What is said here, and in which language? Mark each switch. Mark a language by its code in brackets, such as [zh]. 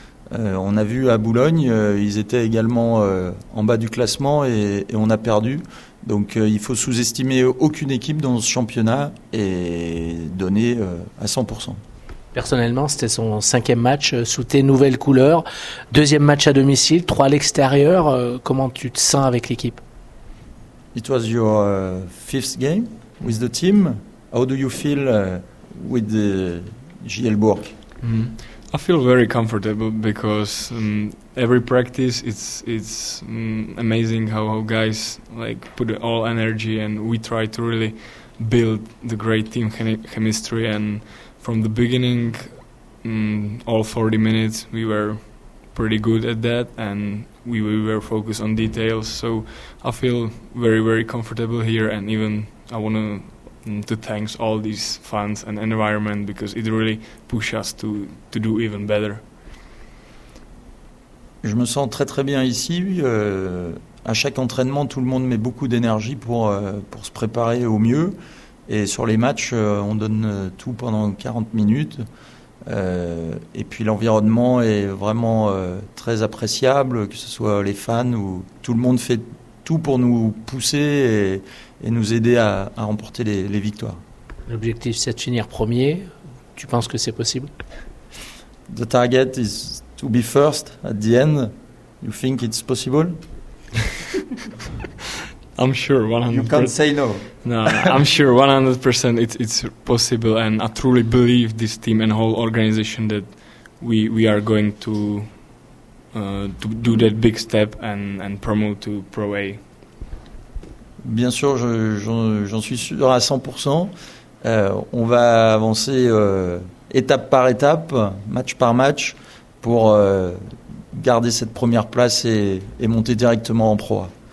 [fr] On a vu à Boulogne, ils étaient également en bas du classement et on a perdu. Donc il faut sous-estimer aucune équipe dans ce championnat et donner à 100%. Personnellement, c'était son cinquième match sous tes nouvelles couleurs. Deuxième match à domicile, trois à l'extérieur. Comment tu te sens avec l'équipe? [en] It was your fifth game with the team. How do you feel with the JL Bourg? I feel very comfortable because every practice it's amazing how guys like put all energy, and we try to really build the great team chemistry. And from the beginning, all 40 minutes we were pretty good at that, and we were focused on details. So I feel very, very comfortable here, and even I want to thanks all these fans and environment because it really push us to do even better. [fr] Je me sens très très bien ici. À chaque entraînement, tout le monde met beaucoup d'énergie pour se préparer au mieux. Et sur les matchs, on donne tout pendant 40 minutes. Et puis l'environnement est vraiment très appréciable, que ce soit les fans ou tout le monde fait tout pour nous pousser et nous aider à remporter les victoires. L'objectif, c'est de finir premier. Tu penses que c'est possible? [en] The target is to be first at the end. You think it's possible? I'm sure 100%. You can't say no. No, I'm sure 100% it's possible, and I truly believe this team and whole organization that we are going to do that big step and promote to Pro A. [fr] Bien sûr, j'en suis sûr à 100%. On va avancer étape par étape, match par match, pour garder cette première place et monter directement en Pro A.